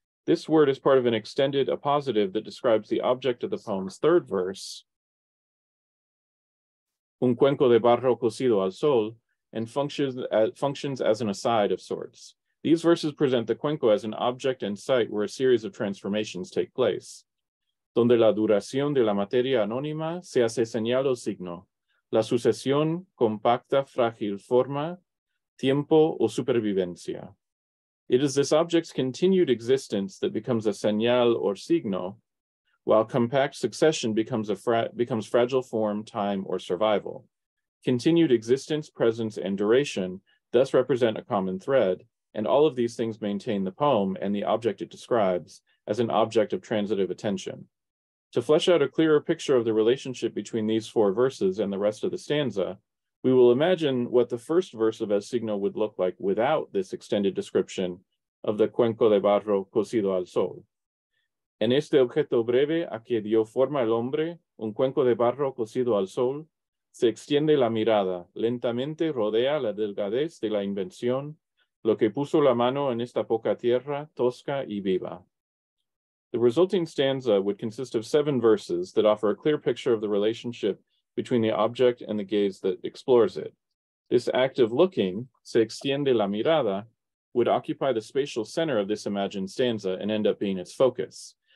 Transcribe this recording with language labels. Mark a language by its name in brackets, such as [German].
[English] This word is part of an extended appositive that describes the object of the poem's third verse, [Spanish] un cuenco de barro cocido al sol, [English] and functions as an aside of sorts. These verses present the cuenco as an object and site where a series of transformations take place. [Spanish] Donde la duración de la materia anónima se hace señal o signo, la sucesión compacta frágil forma, tiempo o supervivencia. [English] It is this object's continued existence that becomes a señal or signo, while compact succession becomes becomes fragile form, time, or survival. Continued existence, presence, and duration thus represent a common thread, and all of these things maintain the poem and the object it describes as an object of transitive attention. To flesh out a clearer picture of the relationship between these four verses and the rest of the stanza, we will imagine what the first verse of As Signal would look like without this extended description of the [Spanish] cuenco de barro cocido al sol. En este objeto breve a que dio forma el hombre, un cuenco de barro cocido al sol, se extiende la mirada, lentamente rodea la delgadez de la invención, lo que puso la mano en esta poca tierra, tosca y viva. [English] The resulting stanza would consist of seven verses that offer a clear picture of the relationship between the object and the gaze that explores it. This act of looking, [Spanish] se extiende la mirada, [English] would occupy the spatial center of this imagined stanza and end up being its focus.